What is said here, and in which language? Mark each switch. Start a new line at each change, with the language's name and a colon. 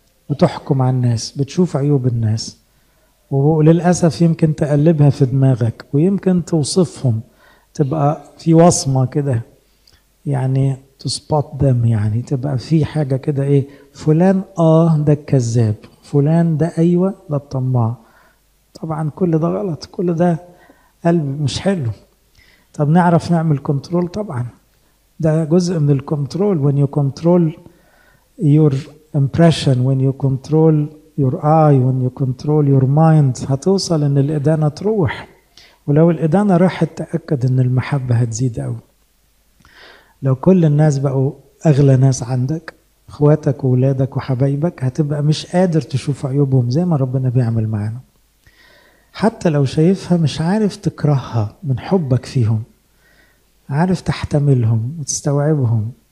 Arabic: بتحكم على الناس، بتشوف عيوب الناس، وللأسف يمكن تقلبها في دماغك، ويمكن توصفهم، تبقى في وصمة كده، يعني
English: to spot them،
Arabic: يعني تبقى في حاجة كده، ايه فلان اه ده الكذاب، فلان ده ايوه ده الطماع. طبعا كل ده غلط، كل ده قلب مش حلو. طب نعرف نعمل كنترول؟ طبعا ده جزء من الكنترول.
English: when you control your impression، when you control your eye، when you control your mind،
Arabic: هتوصل ان الإدانة تروح. ولو الإدانة راحت تأكد ان المحبة هتزيد قوي. لو كل الناس بقوا اغلى ناس عندك، اخواتك واولادك وحبايبك، هتبقى مش قادر تشوف عيوبهم زي ما ربنا بيعمل معانا. حتى لو شايفها مش عارف تكرهها من حبك فيهم، عارف تحتملهم وتستوعبهم.